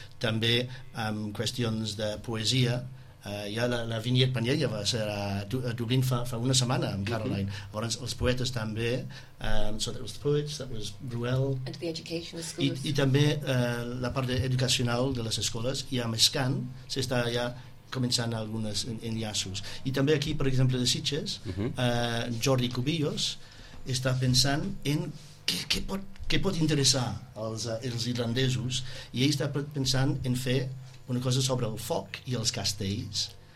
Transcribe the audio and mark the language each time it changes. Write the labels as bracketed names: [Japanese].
[Catalan] També amb qüestions de poesia, ja la Vignette Panyella va ser a Dublín fa una setmana amb Caroline. Mm-hmm. Llavors els poetes també, [English] so that was the poets, that was Bruel. And the education of schools. [Catalan] I també la part educacional de les escoles, i amb Scan s'està ja començant algunes enllaços. I també aquí, per exemple, de Sitges, Jordi Cubillos està pensant en què pot interessar els irlandesos, i ell està pensant en fer una cosa sobre el foc i els castells.